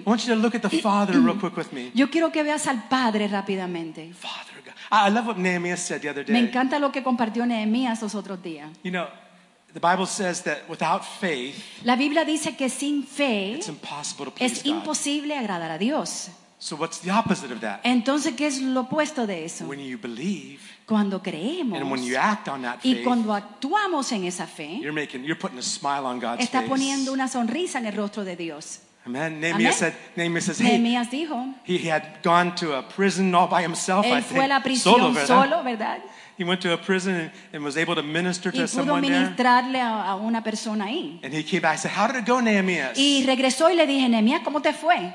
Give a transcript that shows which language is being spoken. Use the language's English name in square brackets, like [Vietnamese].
[English] I want you to look at the Father real quick with me. [Spanish] Yo quiero que veas al Padre rápidamente. [English] Father God. I love what Nehemiah said the other day. [Spanish] Me encanta lo que compartió Nehemías los otros días. [English] You know, the Bible says that without faith, [Spanish] la Biblia dice que sin fe, [English] it's impossible to [Spanish] please es imposible [English] God. [Spanish] Agradar a Dios. [English] So what's the opposite of that? [Spanish] Entonces, ¿qué es lo opuesto de eso? [English] When you believe, [Spanish] cuando creemos, [English] and when you act on that faith, [Spanish] y cuando actuamos en esa fe, [English] you're putting a smile on God's [Spanish] está [English] face. [Spanish] Poniendo una sonrisa en el rostro de Dios. [English] Amen. Nehemiah said. Nehemiah says. Hey, [Spanish] Nehemiah dijo, [English] he had gone to a prison all by himself. [Spanish] Él [English] I think, [Spanish] fue a la prisión solo, ¿verdad? Solo, ¿verdad? [English] He went to a prison and was able to minister to someone there. [Spanish] Y pudo ministrarle a una persona ahí. [English] And he came back and said, "How did it go, Nehemiah?" [Spanish] Y regresó y le dije, Nehemiah, ¿cómo te fue?